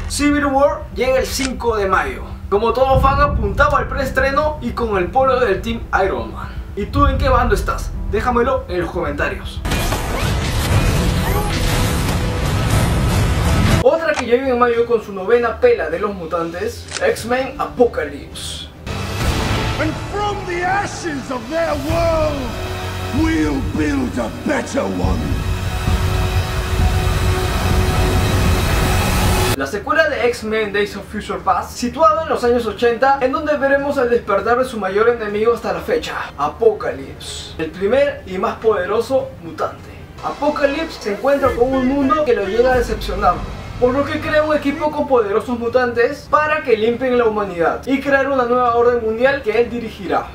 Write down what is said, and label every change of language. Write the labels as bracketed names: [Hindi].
[Spanish] Civil War llega el 5 de mayo. Como todo fan, apuntaba al preestreno y con el polo del Team Iron Man. ¿Y tú en qué bando estás? Déjamelo en los comentarios. Otra que llega en mayo con su novena pela de los mutantes, X-Men Apocalypse. [English] And from the ashes of their world, we'll build a better one. [Spanish] La secuela de X-Men Days of Future Past, situada en los años 80, en donde veremos el despertar de su mayor enemigo hasta la fecha, Apocalypse, el primer y más poderoso mutante. Apocalypse se encuentra con un mundo que lo llega a decepcionar, por lo que crea un equipo con poderosos mutantes para que limpien la humanidad y crear una nueva orden mundial que él dirigirá.